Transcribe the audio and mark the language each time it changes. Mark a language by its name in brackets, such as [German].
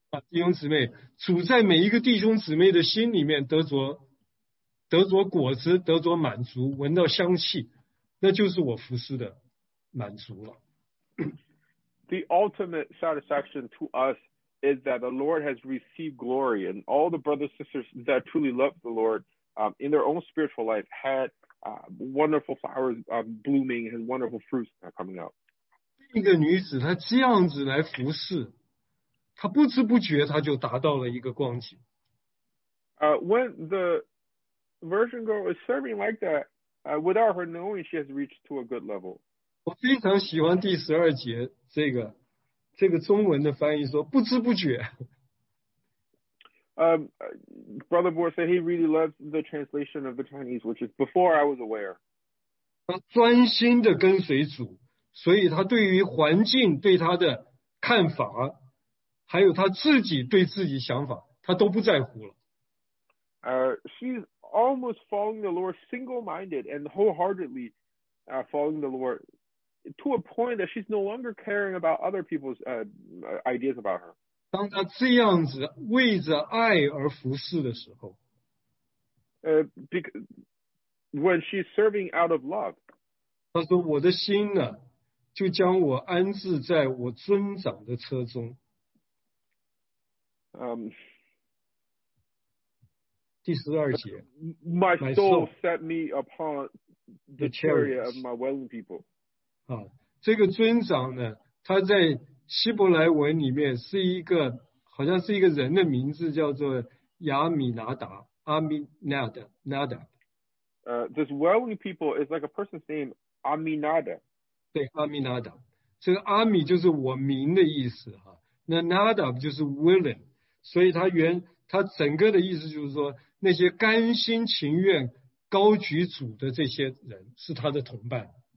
[Chinese] 弟兄姊妹，主在每一个弟兄姊妹的心里面得着果子，得着满足，闻到香气，那就是我服事的满足了。 [English] The ultimate satisfaction to us is that the Lord has received glory, and all the brothers and sisters that truly love the Lord, in their own spiritual life, had wonderful flowers blooming and wonderful fruits coming out. [Chinese] 一个女子她这样子来服事，她不知不觉她就达到了一个光景。 [English] When the virgin girl is serving like that, without her knowing, she has reached to a good level. [Chinese] 我非常喜欢第十二节这个中文的翻译说不知不觉。 [English] Brother Bo said he really loves the translation of the Chinese, which is before I was aware. [Chinese] 他专心的跟随主，所以他对于环境对他的看法，还有他自己对自己想法，他都不在乎了。 [English] She's almost following the Lord single-minded and wholeheartedly following the Lord to a point that she's no longer caring about other people's ideas about her. [Chinese] 当她这样子为着爱而服侍的时候， [English] when she's serving out of love, [Chinese] 她说我的心呢，就将我安置在我尊长的车中。第十二节 [English] ，My soul set me upon the chariot of my willing people. [Chinese] 啊，这个尊长呢，他在希伯来文里面是一个，好像是一个人的名字，叫做亚米拿达 ，Aminada。 [English] This willing people is like a person's name, Aminada. [Chinese] 对 ，Aminada， 这个阿米就是我民的意思哈，那 Nada 就是 willing， 所以他整个的意思就是说，那些甘心情愿高举主的这些人是他的同伴。